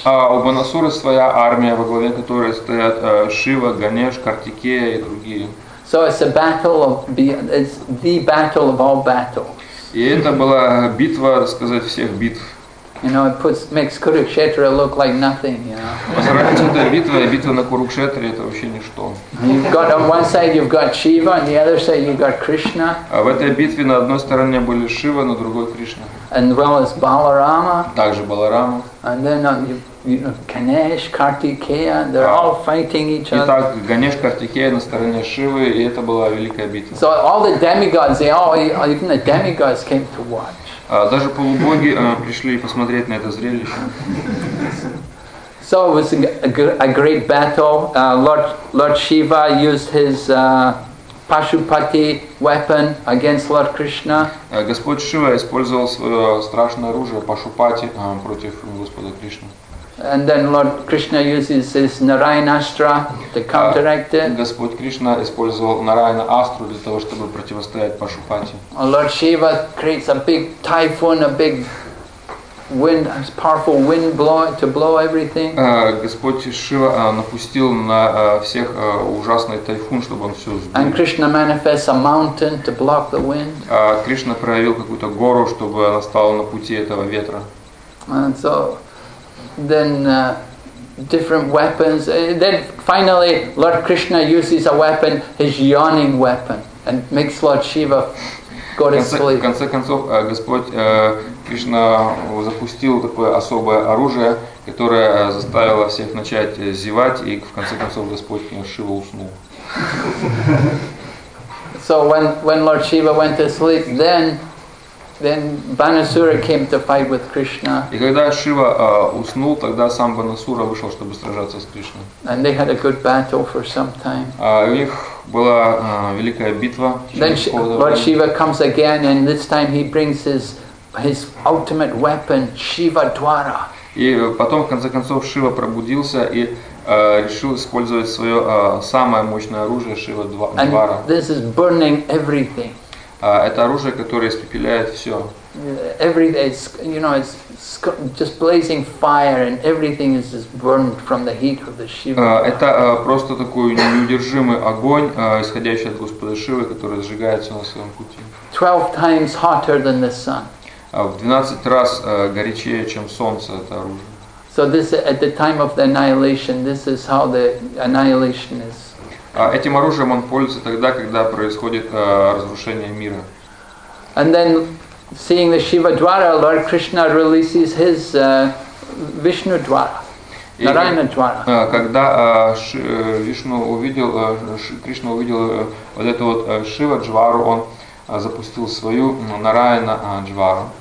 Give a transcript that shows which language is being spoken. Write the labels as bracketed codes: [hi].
[ru] А у Банасуры своя армия, во главе которой стоят Шива, Ганеш, Картикея и другие. [en] So it's a battle of it's the battle of all battles. [ru] И это была битва, так сказать, всех битв. [en] You know, makes Kurukshetra look like nothing, you know. [ru] Это битва, и битва на Курукшетре — это вообще ничто. [en] You've got on one side you've got Shiva, on the other side you've got Krishna. [ru] А в этой битве на одной стороне были Шива, на другой Кришна. [en] And well as Balarama. [ru] Также Баларама. [en] And then you know, Ganesh, Kartikeya, they're all fighting each other. [ru] Итак, Ганеш, Картикея на стороне Шивы, и это была великая битва. [en] So all the demigods, even the demigods came to watch. [ru] Даже полубоги пришли посмотреть на это зрелище. [en] So it was a great battle. Lord Shiva used his Pashupati weapon against Lord Krishna. [ru] Господь Шива использовал свое страшное оружие Пашупати против Господа Кришны. [en] And then Lord Krishna uses his Narayanastra to counteract it. [ru] Господь Кришна использовал Нараяна Астру для того, чтобы противостоять Пашупати. [en] Lord Shiva creates a big typhoon, a big wind, a powerful wind blow to blow everything. [ru] Господь Шива напустил на всех ужасный тайфун, чтобы он все сбил. [en] And Krishna manifests a mountain to block the wind. [ru] Кришна проявил какую-то гору, чтобы она стала на пути этого ветра. [en] And so then different weapons. Then finally, Lord Krishna uses a weapon, his yawning weapon, and makes Lord Shiva go to sleep. [ru] В конце концов, Господь Кришна запустил такое особое оружие, которое заставило всех начать зевать, и в конце концов Господь Шива уснул. [en] So when Lord Shiva went to sleep, then Banasura came to fight with Krishna. [ru] И когда Шива уснул, тогда сам Банасура вышел, чтобы сражаться с Кришной. [en] And they had a good battle for some time. [ru] У них была великая битва. [en] Then Lord Shiva comes again, and this time he brings his ultimate weapon, Shiva Dwara. [ru] И потом, в конце концов, Шива пробудился и решил использовать свое самое мощное оружие, Шива Двара. [en] And this is burning everything. [ru] Это оружие, которое испепеляет все. [en] Everything is, you know, it's just blazing fire, and everything is just burned from the heat of the Shiva. [ru] Это просто такой неудержимый огонь, исходящий от Господа Шивы, который сжигается на своем пути. [en] 12 times hotter than the sun. [ru] В 12 раз горячее, чем солнце, это оружие. [en] So this at the time of the annihilation, this is how the annihilation is. [ru] Этим оружием он пользуется тогда, когда происходит разрушение мира. [en] And then, seeing the Shiva Dwara, Lord Krishna releases his Vishnu Dwara, Narayana Dwara. [ru] Когда Вишну увидел, Кришна увидел вот эту вот Шива Двару, он запустил свою Нараяна Двару.